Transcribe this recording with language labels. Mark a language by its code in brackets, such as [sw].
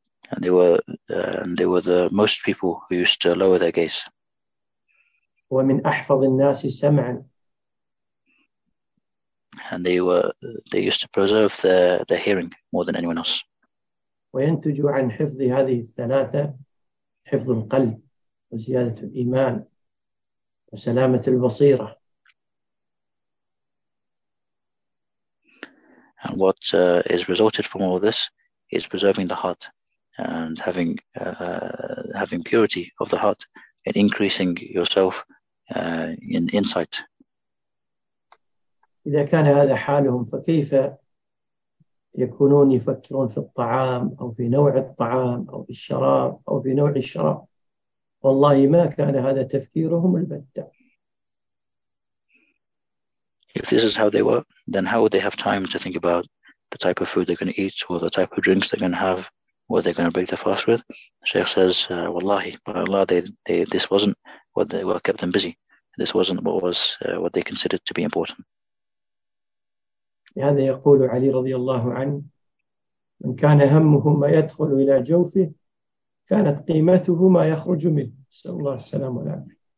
[en] and they were the most people who used to lower their gaze. [ar] ومن أحفظ الناس سمعاً. [en] And they used to preserve their hearing more than anyone else. [ar] وينتج عن حفظ هذه الثلاثة حفظ القلب وزيادة الإيمان وسلامة البصيرة. [en] And what is resulted from all this is preserving the heart and having purity of the heart and increasing yourself in insight. [ar] إذا كان هذا حالهم فكيف يكونون يفكرون في الطعام أو في نوع الطعام أو في الشراب أو في نوع الشراب؟ والله ما كان هذا تفكيرهم البتة. [en] If this is how they were, then how would they have time to think about the type of food they're going to eat or the type of drinks they're going to have, what they're going to break the fast with? Sheikh says, wallahi, by Allah, this wasn't what they were kept them busy. This wasn't what was what they considered to be important. [ar] لهذا يقول علي رضي الله عنه من كان همه ما يدخل إلى جوفه كانت قيمته ما يخرج منه صلى الله عليه وسلم والعافية.